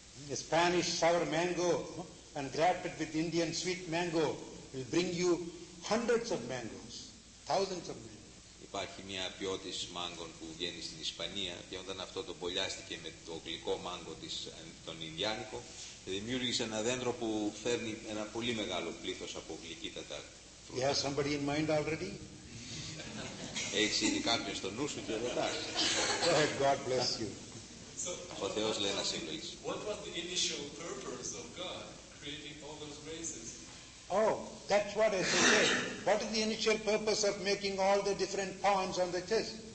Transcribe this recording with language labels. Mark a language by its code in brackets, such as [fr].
[en] A Spanish sour mango and grafted with Indian sweet mango will bring you hundreds of mangoes, thousands of mangoes. [el] Υπάρχει μια ποιότης μάγκων που βγαίνει στην Ισπανία και όταν αυτό το πολλιάστηκε με το γλυκό μάγκο της, τον Ινδιάνικο, δημιούργησε ένα δέντρο που φέρνει ένα πολύ μεγάλο πλήθος από γλυκύτατα φρούτα. [en] You have somebody in mind already? [el] Έχεις ήδη κάποιον στο νου σου και ρωτάς. [en] God bless you. [el] Ο Θεός λέει να σε ευλογήσει. [en] What was the initial purpose of God creating all those races? Oh, that's what I said. What is the initial purpose of making all the different pawns on the chess?